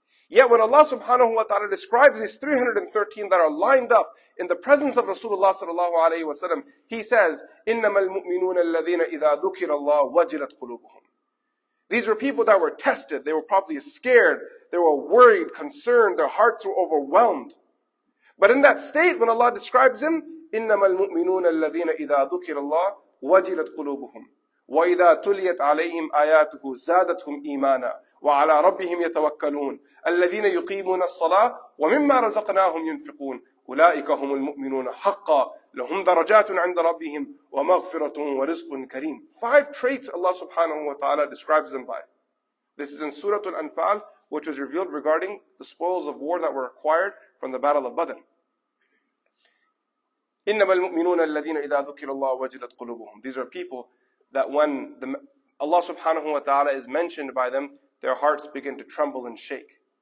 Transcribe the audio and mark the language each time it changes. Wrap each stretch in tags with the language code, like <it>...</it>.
<en>Yet when Allah subhanahu wa ta'ala describes these 313 that are lined up, in the presence of Rasulullah sallallahu alayhi wa sallam, he says,</en> <ar>إِنَّمَا الْمُؤْمِنُونَ الَّذِينَ إِذَا ذُكِرَ اللَّهُ وَجِلَتْ قُلُوبُهُمْ.</ar> <en>These were people that were tested. They were probably scared. They were worried, concerned. Their hearts were overwhelmed. But in that state, when Allah describes him,</en> <ar>إِنَّمَا الْمُؤْمِنُونَ الَّذِينَ إِذَا ذُكِرَ اللَّهُ وَجِلَتْ قُلُوبُهُمْ وَإِذَا تُلِيَتْ عَلَيْهِمْ آيَاتُهُ زَادَتْهُمْ إِيمَانًا وَعَلَىٰ رَبِّهِمْ يَتَوَكَّلُونَ الَّذِينَ يُقِيمُونَ الصَّلَاةَ وَمِمَّا رَزَقْنَاهُمْ يُنْفِقُونَ أُولَٰئِكَ هُمُ الْمُؤْمِنُونَ حَقًّا لَهُمْ دَرَجَاتٌ عِنْدَ رَبِّهِمْ وَمَغْفِرَةٌ وَرِزْقٌ كَرِيمٌ.</ar> <en>Five traits Allah subhanahu wa ta'ala describes them by. This is in Surah Al-Anfal, which was revealed regarding the spoils of war that were acquired from the Battle of Badr.</en> <ar>إِنَّمَا الْمُؤْمِنُونَ الَّذِينَ إِذَا ذُكِرَ اللَّهُ وَجِلَتْ قُلُوبُهُمْ.</ar> <en>These are people that when Allah subhanahu wa ta'ala is mentioned by them, their hearts begin to tremble and shake.</en>